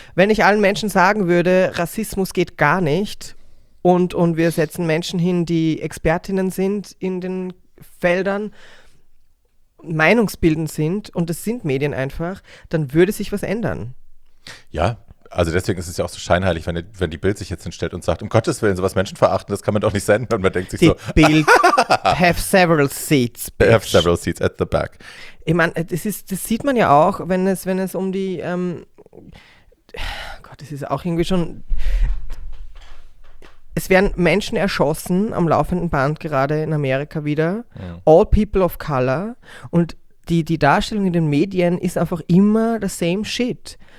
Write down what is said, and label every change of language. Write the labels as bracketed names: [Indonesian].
[German] Wenn ich allen Menschen sagen würde, Rassismus geht gar nicht und wir setzen Menschen hin, die Expertinnen sind in den Feldern, meinungsbildend sind und es sind Medien einfach, dann würde sich was ändern. Ja. Also deswegen ist es ja auch so scheinheilig, wenn die Bild sich jetzt hinstellt und sagt, um Gottes Willen, sowas menschenverachten, das kann man doch nicht senden. Und man denkt sich die so. [English] Die Bild have several seats, bitch. Have several seats at the back. [German] Ich meine, das sieht man ja auch, wenn es um die, Gott, das ist auch irgendwie schon, es werden Menschen erschossen am laufenden Band, gerade in Amerika wieder. Ja. [English] All people of color. [German] Und die Darstellung in den Medien ist einfach immer [English] the same shit.